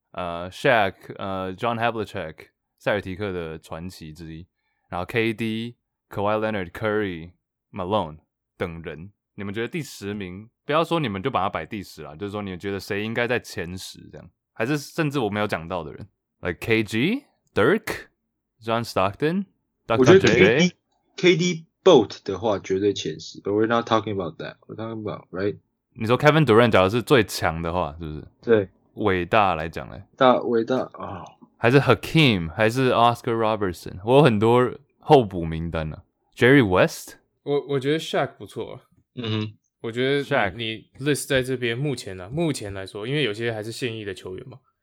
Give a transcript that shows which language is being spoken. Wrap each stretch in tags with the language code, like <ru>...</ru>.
<zh>Shaq， John Havlicek， 塞尔提克的传奇之一，然后 KD、Kawhi Leonard、Curry、Malone 等人。你们觉得第十名，不要说你们就把它摆第十啦，就是说你们觉得谁应该在前十这样，还是甚至我没有讲到的人 ，like KG、Dirk、John Stockton、Dr. J。我觉得 KD Boat 的话绝对前十</zh> <en>，but we're not talking about that. We're talking about right.</en> <zh>你说 Kevin Durant 假如是最强的话，是不是？对，伟大来讲嘞，大伟大啊、哦，还是 Hakeem， 还是 Oscar Robertson， 我有很多候补名单呢、啊。 Jerry West，我觉得 Shaq 不错、啊。嗯，我觉得你 list 在这边目前来说，因为有些还是现役的球员嘛。</zh>